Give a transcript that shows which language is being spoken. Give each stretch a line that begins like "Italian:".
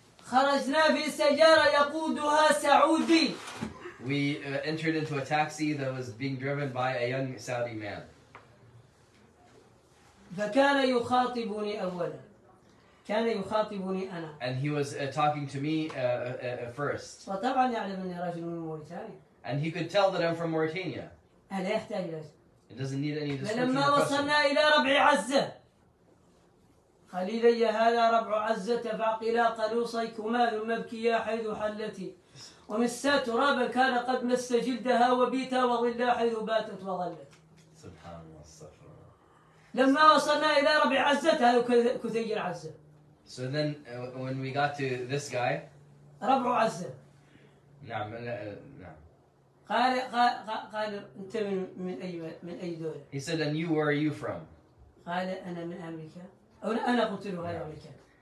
Arabic: خرجنا في سيارة يقودها سعودي.
English: We entered into a taxi that was being driven by a young Saudi man.
Arabic: فكان يخاطبني أولا. كان يخاطبني أنا.
English: And he was talking to me first.
Arabic: وطبعا يعلم أني رجل من موريتانيا.
English: And he could tell that I'm from Mauritania.
Arabic: هل يحتاج إلى؟
English: It doesn't need any description.
Arabic: فلما وصلنا إلى ربع عزة. خليلي هذا ربع عزة فعقلا قلوصيكما ثم ابكيا حيث حلتي ومسا ترابا كان قد مس جلدها وبيتا وظلا حيث باتت وظلت سبحان الله الصفر لما وصلنا إلى ربع عزة هذا كثي العزة
English: So then when we got to this guy
Arabic: ربع عزة نعم نعم قال أنت من أي دولة
English: He said and you where are you from
Arabic: قال أنا من أمريكا أنا قلت له هذا الكلام.